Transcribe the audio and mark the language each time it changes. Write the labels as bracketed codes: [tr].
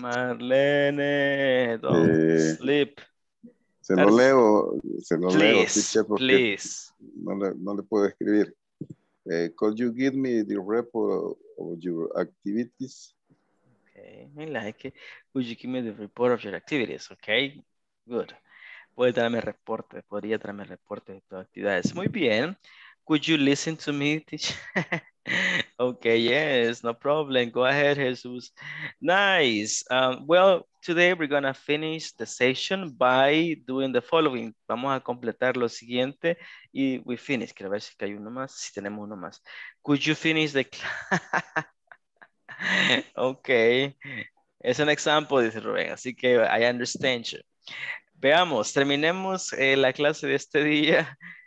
[en] Marlene, don't sleep. [es] Se lo leo, teacher, porque please. No le puedo escribir. [en] Could you give me the report of your activities? Okay, I like it. Could you give me the report of your activities? Okay, good. [es] Puede traerme reporte, podría traerme reporte de tus actividades. Muy bien. [en] Could you listen to me, teacher? Okay, yes, no problem. Go ahead, Jesus. Nice. Well, today we're going to finish the session by doing the following. [es] Vamos a completar lo siguiente y [en] we finish. [es] Quiero ver si hay uno más, si tenemos uno más. [en] Could you finish the class? Okay. [es] Es un example, dice Rubén. Así que [en] I understand you. [es] Veamos, terminemos la clase de este día.